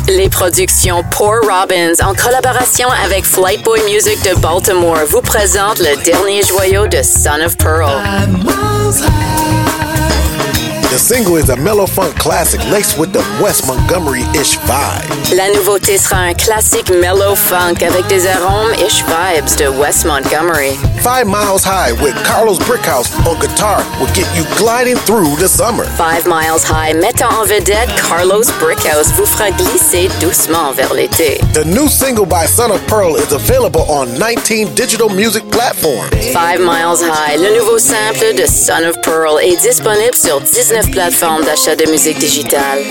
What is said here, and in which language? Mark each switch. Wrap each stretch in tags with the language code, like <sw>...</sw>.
<fr>Les productions Poor Robbins en collaboration avec Flight Boy Music de Baltimore vous présente le dernier joyau de Son of Pearl.</fr> <en>The single is a mellow funk classic laced with the West Montgomery-ish vibe.</en> <fr>La nouveauté sera un classique mellow funk avec des arômes-ish vibes de West Montgomery.</fr> <en>5 miles high with Carlos Brickhouse on guitar will get you gliding through the summer.</en> <fr>5 miles high, mettant en vedette Carlos Brickhouse vous fera glisser doucement vers l'été.</fr> <en>The new single by Son of Pearl is available on 19 digital music platforms.</en> <fr>5 miles high, le nouveau sample de Son of Pearl est disponible sur 19 plateformes d'achat de musique digitale.</fr>